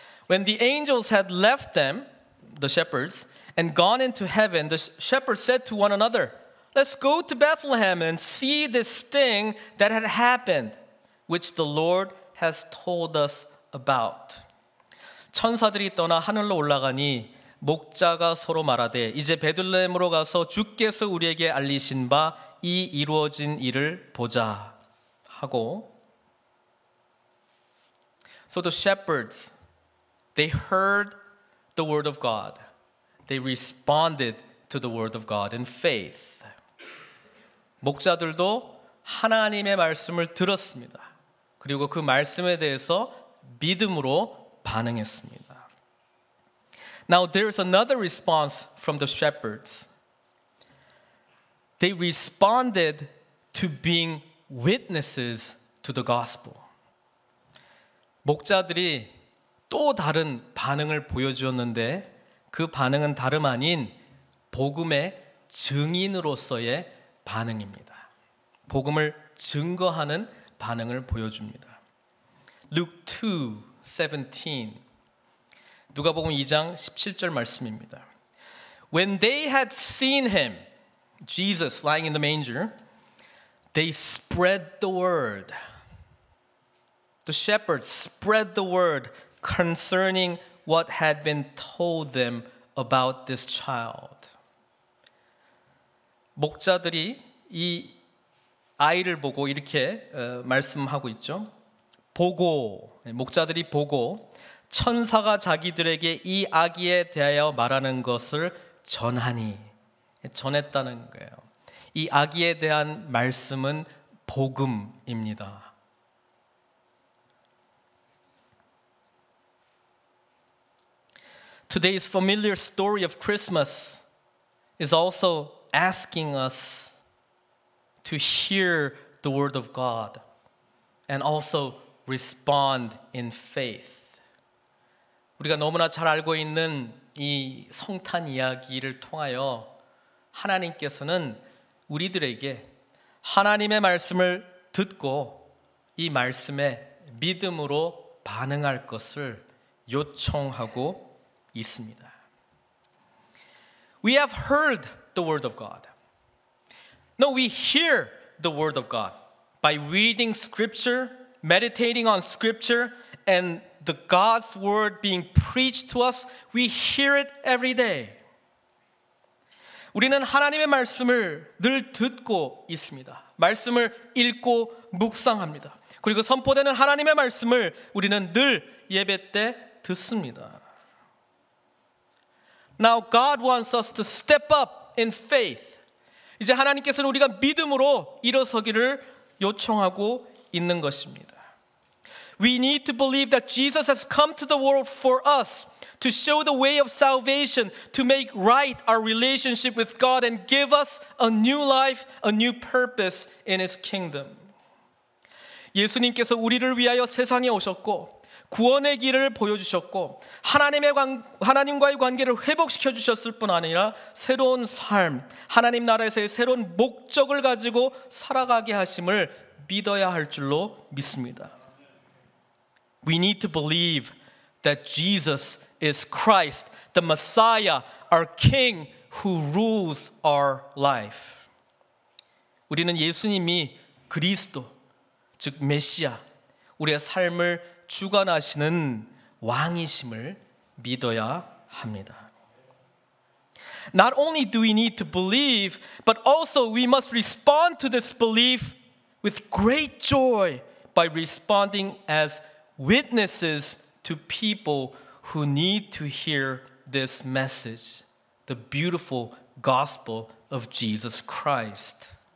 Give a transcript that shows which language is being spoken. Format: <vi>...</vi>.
<en>When the angels had left them, the shepherds, and gone into heaven, the shepherds said to one another, Let's go to Bethlehem and see this thing that had happened, which the Lord has told us about.</en> <ko>천사들이 떠나 하늘로 올라가니 목자가 서로 말하되 이제 베들레헴으로 가서 주께서 우리에게 알리신 바 이 이루어진 일을 보자. 하고.</ko> <en>So the shepherds, they heard the word of God. They responded to the word of God in faith.</en> <ko>목자들도 하나님의 말씀을 들었습니다. 그리고 그 말씀에 대해서 믿음으로 반응했습니다.</ko> <en>Now there is another response from the shepherds. They responded to being witnesses to the gospel.</en> <ko>목자들이 또 다른 반응을 보여주었는데 그 반응은 다름 아닌 복음의 증인으로서의 반응입니다. 복음을 증거하는 반응을 보여줍니다.</ko> <en>Luke 2:17.</en> <ko>누가복음 2장 17절 말씀입니다.</ko> <en>When they had seen him, Jesus lying in the manger, they spread the word. The shepherds spread the word concerning what had been told them about this child.</en> <ko>목자들이 이 아이를 보고 이렇게 말씀하고 있죠. 보고, 목자들이 보고 천사가 자기들에게 이 아기에 대하여 말하는 것을 전하니, 전했다는 거예요. 이 아기에 대한 말씀은 복음입니다.</ko> <en>Today's familiar story of Christmas is also asking us to hear the word of God and also respond in faith.</en> <ko>우리가 너무나 잘 알고 있는 이 성탄 이야기를 통하여 하나님께서는 우리들에게 하나님의 말씀을 듣고 이 말씀에 믿음으로 반응할 것을 요청하고 있습니다.</ko> <en>We have heard the word of God. No, we hear the word of God. By reading scripture, meditating on scripture, and the God's word being preached to us, we hear it every day.</en> <ko>우리는 하나님의 말씀을 늘 듣고 있습니다. 말씀을 읽고 묵상합니다. 그리고 선포되는 하나님의 말씀을 우리는 늘 예배 때 듣습니다.</ko> <en>Now God wants us to step up in faith.</en> <ko>이제 하나님께서는 우리가 믿음으로 일어서기를 요청하고 있는 것입니다.</ko> <en>We need to believe that Jesus has come to the world for us to show the way of salvation, to make right our relationship with God and give us a new life, a new purpose in his kingdom.</en> <ko>예수님께서 우리를 위하여 세상에 오셨고 구원의 길을 보여주셨고 하나님과의 관계를 회복시켜 주셨을 뿐 아니라 새로운 삶, 하나님 나라에서의 새로운 목적을 가지고 살아가게 하심을 믿어야 할 줄로 믿습니다.</ko> <en>We need to believe that Jesus is Christ, the Messiah, our King who rules our life.</en> <ko>우리는 예수님이 그리스도, 즉 메시아, 우리의 삶을 주관하시는 왕이심을 믿어야 합니다.</ko> <en>Not only do we need to believe, but also we must respond to this belief with great joy by responding as witnesses to people who need to hear this message, the beautiful gospel of Jesus Christ.</en>